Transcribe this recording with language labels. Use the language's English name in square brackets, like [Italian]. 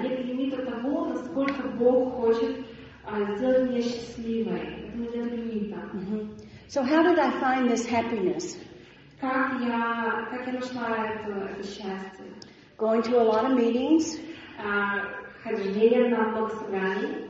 [Russian] Нет лимита того, насколько Бог хочет сделать меня счастливой. Это нет лимита. [English] So how did I find this happiness? [Russian] Как я нашла это счастье? Going to a lot of meetings. Ходили на много собраний.